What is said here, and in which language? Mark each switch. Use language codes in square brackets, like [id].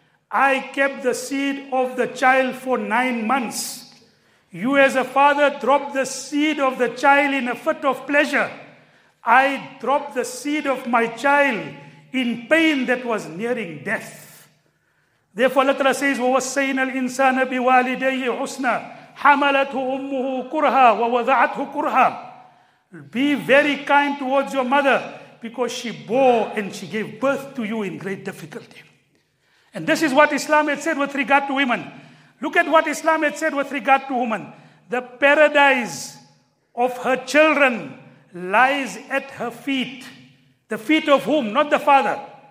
[en] I kept the seed of the child for 9 months. You as a father dropped the seed of the child in a fit of pleasure. I dropped the seed of my child in pain that was nearing death. Therefore Allah Ta'ala says, [ar] وَوَسَّيْنَا الْإِنسَانَ بِوَالِدَيْهِ حُسْنًا حَمَلَتْهُ أُمُّهُ كُرْهًا وَوَضَعَتْهُ كُرْهًا. [en] Be very kind towards your mother because she bore and she gave birth to you in great difficulty. And this is what Islam had said with regard to women. Look at what Islam had said with regard to women. The paradise of her children lies at her feet. The feet of whom? Not the father.